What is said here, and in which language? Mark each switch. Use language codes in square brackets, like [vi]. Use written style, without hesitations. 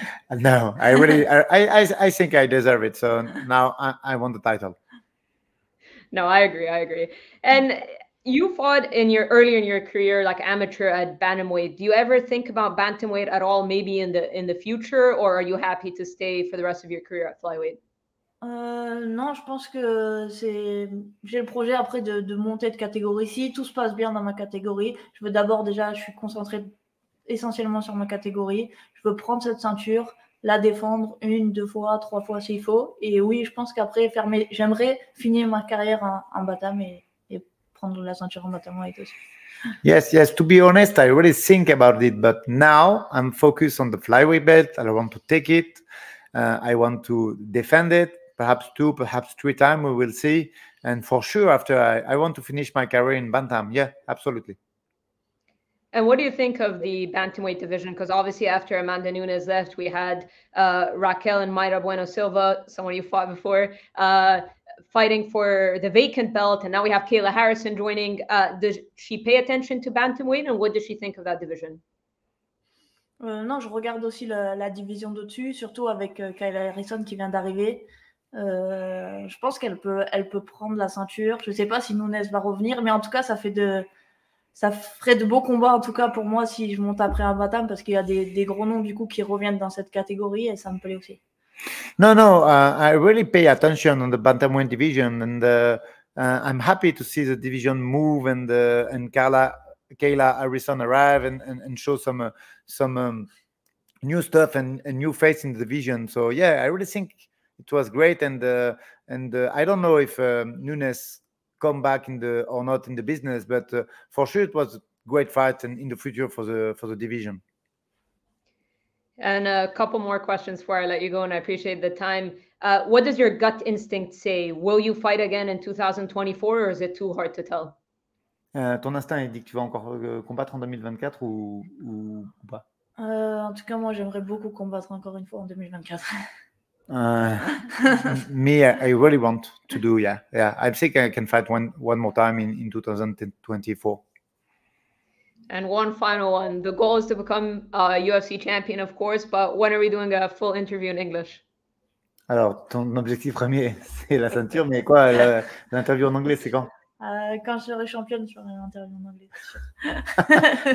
[en] No, I really, I think I deserve it. So now I want the title. No, I agree. And you fought earlier in your career, like amateur at bantamweight. Do you ever think about bantamweight at all, maybe in the future, or are you happy to stay for the rest of your career at flyweight? [fr] Non, je pense que j'ai le projet après de monter de catégorie. Si tout se passe bien dans ma catégorie, je veux d'abord déjà, je suis concentrée essentiellement sur ma catégorie. Je veux prendre cette ceinture, la défendre une, deux fois, trois fois s'il faut. Et oui, je pense qu'après, j'aimerais finir ma carrière en bantam et prendre la ceinture en bantam et tout ça. [en] Yes. To be honest, I really think about it. But now, I'm focused on the flyweight belt. I want to take it. I want to defend it. Perhaps two, perhaps three times, we will see. And for sure, after I want to finish my career in bantam. Yeah, absolutely. And what do you think of the bantamweight division? Because obviously after Amanda Nunes left, we had Raquel and Mayra Bueno Silva, someone you fought before, fighting for the vacant belt. And now we have Kayla Harrison joining. Does she pay attention to bantamweight? And what does she think of that division? [fr] Non, je regarde aussi la division d'au-dessus, surtout avec Kayla Harrison qui vient d'arriver. Je pense qu'elle peut prendre la ceinture. Je ne sais pas si Nunes va revenir, mais en tout cas, ça ferait de beaux combats, en tout cas pour moi, si je monte après un bantam, parce qu'il y a des gros noms du coup qui reviennent dans cette catégorie et ça me plaît aussi. [en] Non, I really pay attention on the bantamweight division, and I'm happy to see the division move, and Kayla Kayla Harrison arrive and show some new stuff and a new face in the division. So yeah, I really think it was great. And I don't know if Nunes come back in the or not in the business, but for sure it was a great fight and in the future for the division. And a couple more questions before I let you go, and I appreciate the time. What does your gut instinct say? Will you fight again in 2024, or is it too hard to tell? [fr] Ton instinct dit que tu vas encore combattre en 2024 ou pas? En tout cas, moi, j'aimerais beaucoup combattre encore une fois en 2024. [en] me, I really want to do, yeah. Yeah, I think I can fight one more time in 2024. And one final one. The goal is to become a UFC champion, of course, but when are we doing a full interview in English? [fr] Alors, ton objectif premier, c'est la ceinture, mais quoi, l'interview en anglais, c'est quand? Quand je serai championne, je ferai l'interview en anglais.